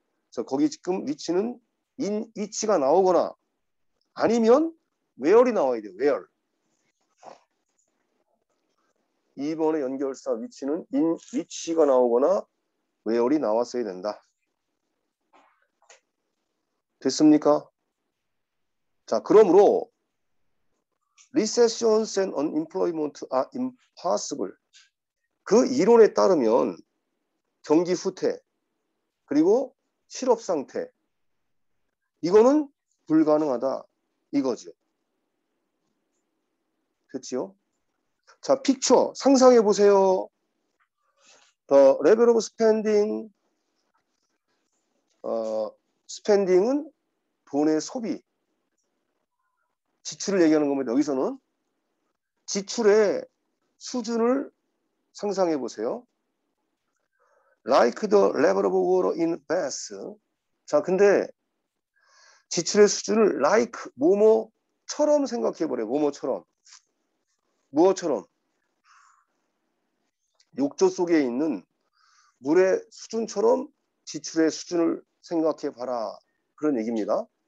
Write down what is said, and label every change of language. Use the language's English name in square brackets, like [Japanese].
[Korean] 그래서 거기 지금 위치는 in 위치가 나오거나 아니면 where이 나와야 돼요. where. 2번의 연결사 위치는 in 위치가 나오거나 where이 나왔어야 된다. 됐습니까? 자, 그러므로 [English] recessions and unemployment are impossible. [Korean] 그 이론에 따르면 경기 후퇴 그리고 실업 상태 이거는 불가능하다 이거죠. 됐지요? 자, 픽처 상상해 보세요. The level of spending, spending은 돈의 소비. 지출을 얘기하는 겁니다. 여기서는 지출의 수준을 상상해 보세요. [English] Like the level of water in bath. [Korean] 자, 근데 지출의 수준을 like 뭐뭐처럼 생각해 보래요. 뭐뭐처럼. 무엇처럼? 욕조 속에 있는 물의 수준처럼 지출의 수준을 생각해 봐라. 그런 얘기입니다.